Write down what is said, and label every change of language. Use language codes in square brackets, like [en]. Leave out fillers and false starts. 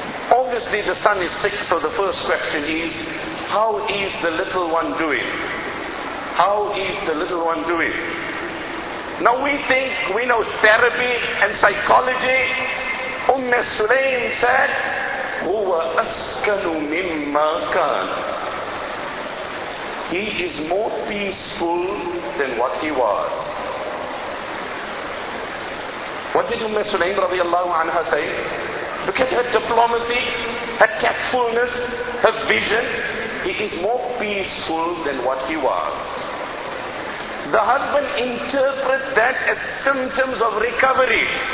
[en] Obviously the son is sick, so the first question is, how is the little one doing? How is the little one doing? Now we think we know therapy and psychology. Umm Sulaym said, [ar] هُوَ أَسْكَنُ مِمَّا كَانَ. [en] He is more peaceful than what he was. What did Umm Sulaym radiallahu anha say? Look at her diplomacy, her tactfulness, her vision. He is more peaceful than what he was. The husband interprets that as symptoms of recovery.